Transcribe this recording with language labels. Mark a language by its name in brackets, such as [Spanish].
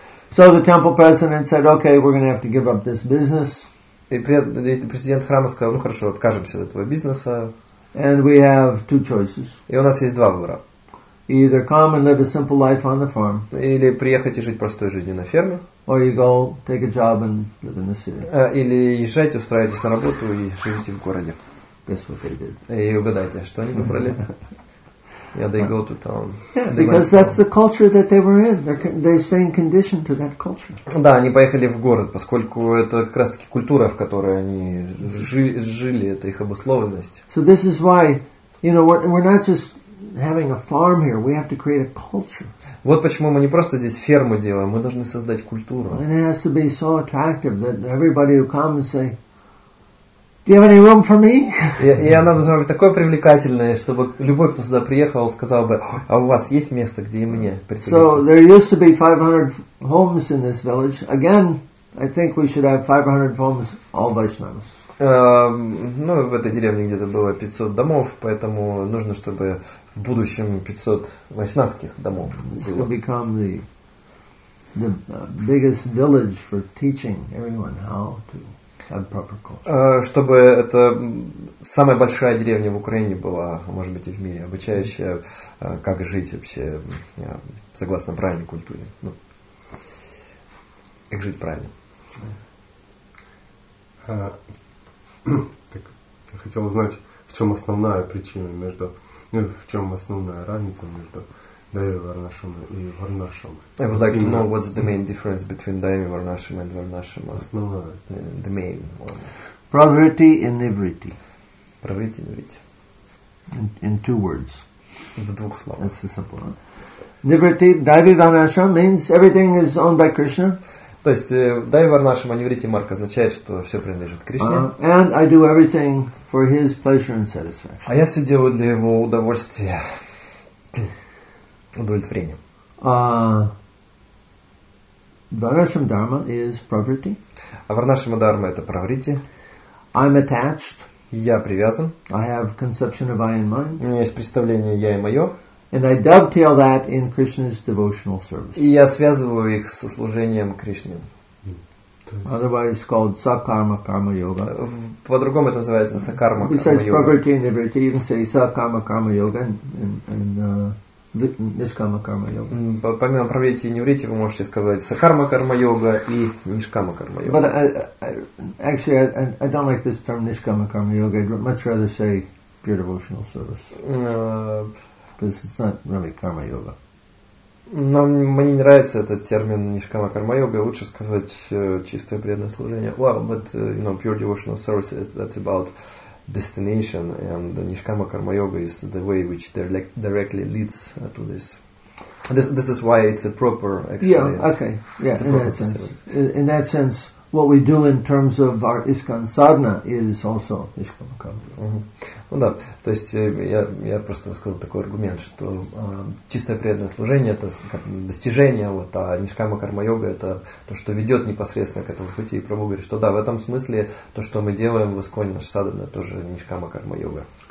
[English] So the temple president said, okay, we're going to have to give up this business. [Russian] И президент храма сказал, ну хорошо, откажемся от этого бизнеса. [English] And we have two choices. [Russian] И у нас есть два выбора. [English] Either come and live a simple life on the farm. [Russian] Или приехать и жить простой жизнью на ферме. [English] Or you go take a job and live in the city. [Russian] Или езжайте, устраивайтесь на работу и живите в городе. [English] Guess what they did. [Russian] И угадайте, что они выбрали? [English] Yeah, they go to town. Yeah, because that's the culture that they were in. They're staying conditioned to that culture. [Russian] Да, они поехали в город, поскольку это как раз-таки культура, в которой они жили, это их обусловленность. [English] So this is why, you know, we're not just having a farm here, we have to create a culture. [Russian] Вот почему мы не просто здесь ферму делаем, мы должны создать культуру. [English] And it has to be so attractive that everybody who comes say, "Do you have any room for me?" [Russian] И она должна быть такой привлекательной, чтобы любой, кто сюда приехал, сказал бы, "А у вас есть место, где и мне прийти?" [English] So there used to be 500 homes in this village. Again, I think we should have 500 homes all Vaishnavas. [Russian] Ну, в этой деревне где-то было 500 домов, поэтому нужно, чтобы в будущем 500 вайшнавских домов было. [English] This will become the biggest village for teaching everyone how to have proper culture. [Russian] Чтобы это самая большая деревня в Украине была, может быть, и в мире, обучающая, как жить вообще согласно правильной культуре. Ну, как жить правильно. Так, я хотел узнать, в чем основная причина между, ну, в чем основная разница между Дайви Варнашрама и Варнашрама. [English] I would like to know what's the main difference between Дайви Варнашрама and Варнашрама. [Russian] Основная. [English] The main one. Pravritti and Nivritti. Pravritti and Nivritti. In two words. [Russian] В двух словах. [English] That's the simple one. Nivritti, Дайви Варнашрама means everything is owned by Krishna. [Russian] То есть Дайви Варнашрама Нивритти Марка означает, что все принадлежит Кришне. [English] And I do everything for his pleasure and satisfaction. [Russian] А я все делаю для его удовольствия, удовлетворения. [English] Варнашрама Дхарма is Pravritti. [Russian] А Варнашрама Дхарма это Pravritti. [English] I'm attached. [Russian] Я привязан. [English] I have conception of I and mine. [Russian] У меня есть представление я и мое. [English] And I dovetail that in Krishna's devotional service. [Russian] И я связываю их со служением Кришне. [English] Otherwise called Sakarma Karma Yoga. [Russian] По-другому это называется Сакарма Карма Йога. [English] Besides Pravritti and Nivritti, you can say Sakarma Karma Yoga and Nishkama Karma Yoga. [Russian] Помимо Pravritti и Nivritti, вы можете сказать Сакарма Карма Йога и Нишкама Карма Йога. [English] But I don't like this term Nishkama Karma Yoga. I'd much rather say pure devotional service. Because it's not really karma yoga. [Russian] Но мне не нравится этот термин нишкама карма йога. Лучше сказать чистое преданное служение. [English] Well, but you know, pure devotional service that's about destination, and nishkama karma yoga is the way which directly leads to this. This is why it's a proper actually. Yeah. Okay. Yeah. In that sense. In that sense, what we do in terms of our ISKCON sadhana is also nishkama karma yoga. [Russian] Ну да, то есть я просто сказал такой аргумент, что чистое преданное служение это достижение, вот, а нишкама карма йога это то, что ведет непосредственно к этому пути. И Прабху говорит, что да, в этом смысле то, что мы делаем в ИСККОНе, наш садхана, тоже нишкама карма йога.